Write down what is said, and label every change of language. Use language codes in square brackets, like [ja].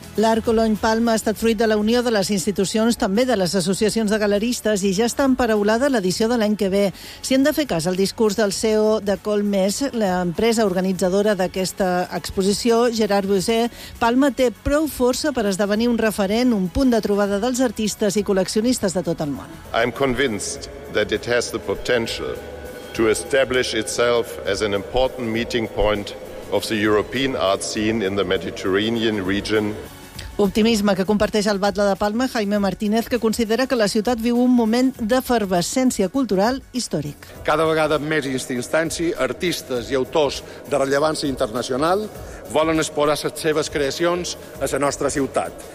[ca] L'Art Colony Palma ha estat fruit de la unió de les institucions, també de les associacions de galeristes, i ja està emparaulada l'edició de l'any que ve. Si hem de fer cas al discurs del CEO de Colmes, l'empresa organitzadora d'aquesta exposició, Gerard Busser, Palma té prou força per esdevenir un referent, un punt de trobada dels artistes i col·leccionistes de tot el món. [en] I'm convinced that it has the potential to establish itself as an important meeting point of the European art scene in the Mediterranean region. [ca] Optimisme que comparteix el batle de Palma, Jaime Martínez, que considera que la ciutat viu un moment d'efervescència cultural històric. Cada vegada més instància, artistes i autors de rellevància internacional volen exposar les seves creacions a la nostra ciutat.